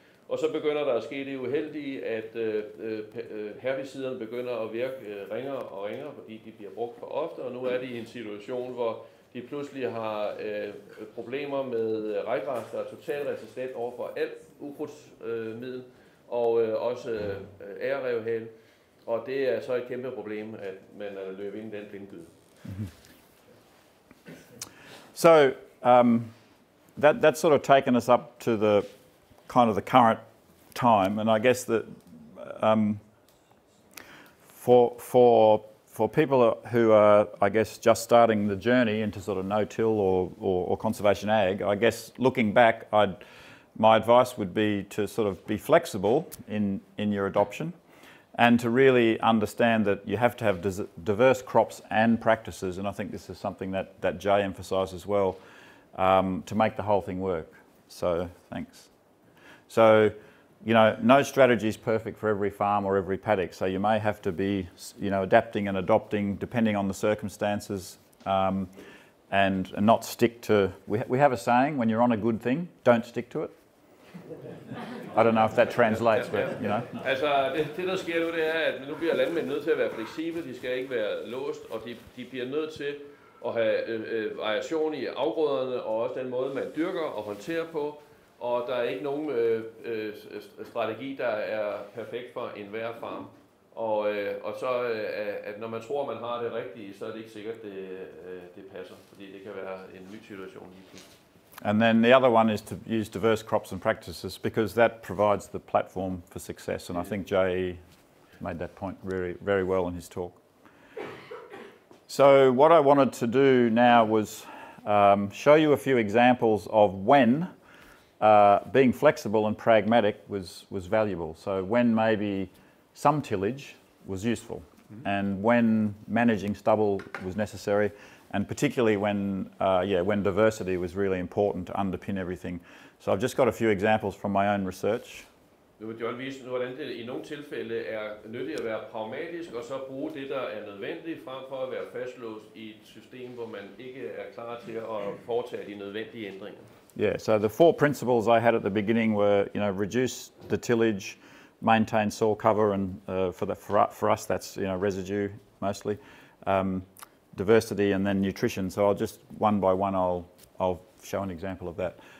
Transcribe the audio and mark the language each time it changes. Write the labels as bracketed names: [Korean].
[Danish] Og så begynder der at ske det uheldige, at herbiciderne begynder at virke ringere og ringere, fordi de bliver brugt for ofte, og nu er de i en situation, hvor de pludselig har problemer med ryggræs, der er totalt resistent overfor alt ukrudtsmiddel, og også ærerevhale. Og det er så et kæmpe problem, at man er løbet ind i den blindgyde. [English] So, that's sort of taken us up to the kind of the current time, and I guess that for people who are, I guess, just starting the journey into sort of no-till or conservation ag, I guess looking back, my advice would be to sort of be flexible in your adoption, and to really understand that you have to have diverse crops and practices, and I think this is something that Jay emphasised as well, to make the whole thing work. So thanks. So, you know, no strategy is perfect for every farm or every paddock. So you may have to be, you know, adapting and adopting depending on the circumstances, and not stick to. We have a saying: when you're on a good thing, don't stick to it. I don't know if that translates, but you know. [Danish] Altså, det der sker nu, det er, at nu bliver landmænd nødt til at være fleksible. De skal ikke være låst, og de bliver nødt til at have variation i afgrøderne og også den måde man dyrker og håndterer på. Og der er ikke nogen strategi, der er perfekt for enhver farm. Og så, at når man tror, man har det rigtige, så er det ikke sikkert, det passer, fordi det kan være en ny situation lige pludselig. [English] And then the other one is to use diverse crops and practices, because that provides the platform for success. And I think Jay made that point really, very well in his talk. So what I wanted to do now was show you a few examples of when being flexible and pragmatic was valuable. So when maybe some tillage was useful, and when managing stubble was necessary, and particularly when diversity was really important to underpin everything. So I've just got a few examples from my own research. [Danish] Nu vil John vise, hvordan det i nogle tilfælde er nyttigt at være pragmatisk, og så bruge det, der er nødvendigt, frem for at være fastlåst i et system, hvor man ikke er klar til at foretage de nødvendige ændringer. [English] Yeah, so the four principles I had at the beginning were, you know, reduce the tillage, maintain soil cover, and for us that's, you know, residue mostly. Diversity and then nutrition. So I'll just one by one I'll show an example of that.